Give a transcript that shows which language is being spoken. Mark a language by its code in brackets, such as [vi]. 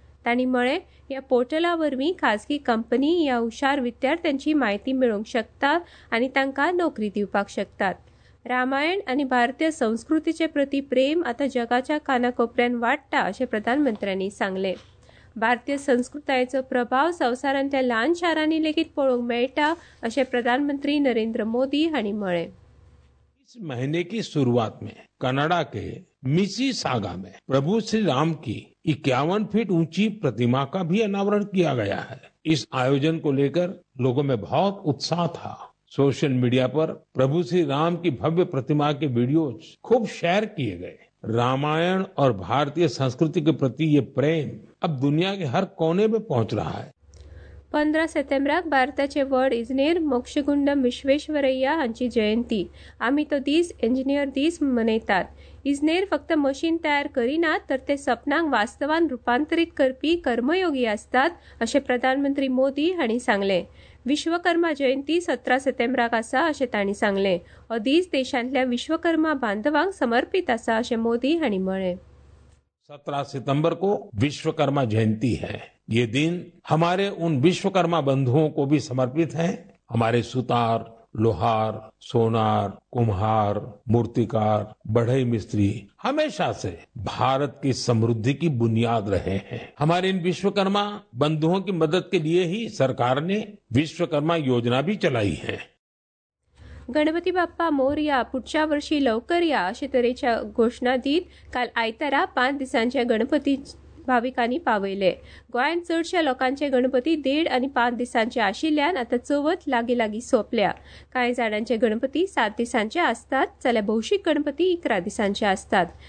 [kok] तांणी म्हळें, ह्या पोर्टला वरवीं खासगी कंपनी ह्या हुशार विद्यार्थ्यांची म्हायती मेळूंक शकतात आनी तांकां नोकरी दिवपाक शकतात. रामायण आनी भारतीय संस्कृतीचे प्रती प्रेम आतां जगाच्या कानाकोपऱ्यांत वाडटा अशें प्रधानमंत्र्यांनी सांगले. भारतीय संस्कृतायेचो प्रभाव संवसारांतल्या ल्हान शारांनी लेगीत पळोवंक मेळटा अशें प्रधानमंत्री नरेंद्र मोदी हांणी म्हळें. [hi] महीने की सुरुवात में कनाडा के मिसी सागा में प्रभु श्री राम की 51 फीट ऊंची प्रतिमा का भी अनावरण किया गया है. इस आयोजन को लेकर लोगों में बहुत उत्साह था. सोशल मीडिया पर प्रभु श्री राम की भव्य प्रतिमा के वीडियो खूब शेयर किए गए. रामायण और भारतीय संस्कृति के प्रति ये प्रेम अब दुनिया के हर कोने में पहुँच रहा है. [kok] 15 सप्टेंबराक भारताचे व्हड इंजिनियर मोक्षगुंडम विश्वेश्वरय्या हांची जयंती. आमी तो दीस इंजिनियर दीस मनयतात. इंजिनियर फक्त मशीन तयार करिनात, तर ते सपनांक वास्तवान रुपांतरीत करपी कर्मयोगी आसतात अशें प्रधानमंत्री मोदी हांणी सांगले. विश्वकर्मा जयंती 17 सप्टेंबराक आसा अशें तांणी सांगले. हो दीस देशांतल्या विश्वकर्मा बांधवांक समर्पित आसा अशें मोदी हांणी म्हळें. [hi] 17 सितंबर को विश्वकर्मा जयंती है. ये दिन हमारे उन विश्वकर्मा बंधुओं को भी समर्पित है. हमारे सुतार, लोहार, सोनार, कुम्हार, मूर्तिकार, बढ़ई मिस्त्री हमेशा से भारत की समृद्धि की बुनियाद रहे हैं. हमारे इन विश्वकर्मा बंधुओं की मदद के लिए ही सरकार ने विश्वकर्मा योजना भी चलाई है. [mr] गणपती बाप्पा मोरया, पुढच्या वर्षी लवकर या [kok] अशे तरेच्या घोषणा दीत काल आयतारा 5 दिसांचे गणपती भाविकांनी पावयले. गोंयांत चडशा लोकांचे गणपती 1.5 आनी 5 दिसांचे आशिल्ल्यान आतां चवथ लागीं लागीं सोंपल्या. कांय जाणांचे गणपती 7 दिसांचे आसतात, जाल्यार भौशीक गणपती 11 दिसांचे आसतात.